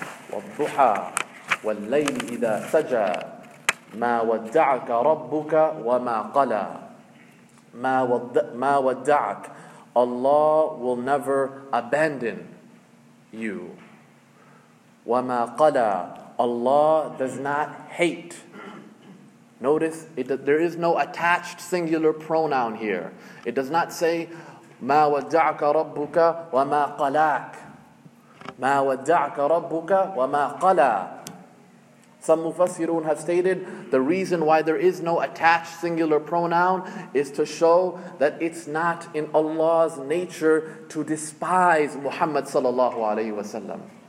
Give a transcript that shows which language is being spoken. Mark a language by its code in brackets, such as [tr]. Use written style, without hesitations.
[ar] وَالضُّحَى وَاللَّيْلِ إِذَا سَجَى مَا وَدَّعَكَ رَبُّكَ وَمَا قَلَى مَا وَدَّعَكَ. [en] Allah will never abandon you. [ar] وَمَا قَلَى. [en] Allah does not hate. Notice, there is no attached singular pronoun here. It does not say, [ar] مَا وَدَّعَكَ رَبُّكَ وَمَا قَلَاكَ. مَا وَدَّعَكَ رَبُّكَ وَمَا قَلَى. [en] Some Mufassirun have stated, the reason why there is no attached singular pronoun is to show that it's not in Allah's nature to despise Muhammad sallallahu alayhi wa sallam.